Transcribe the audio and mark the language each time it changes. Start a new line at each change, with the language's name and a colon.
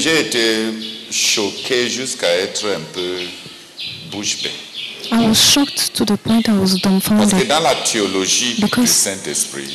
French: J'ai été choqué jusqu'à être un peu bouche bée.
English: I was shocked to the point I was dumbfounded.
French: Parce que dans la théologie du Saint-Esprit,